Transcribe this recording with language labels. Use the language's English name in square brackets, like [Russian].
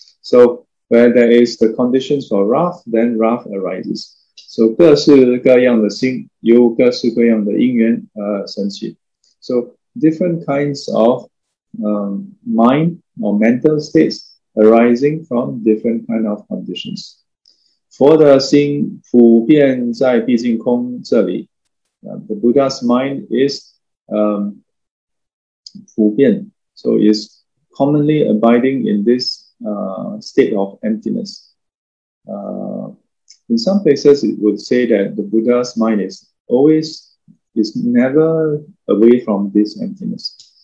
[English] So where there is the conditions for wrath, then wrath arises. [Chinese] So 各式各样的心有各式各样的因缘而生起. [English] So different kinds of mind or mental states arising from different kind of conditions. [Chinese] 佛的心普遍在毕竟空这里. [English] The Buddha's mind is 普遍. So is commonly abiding in this state of emptiness. In some places, it would say that the Buddha's mind is never away from this emptiness.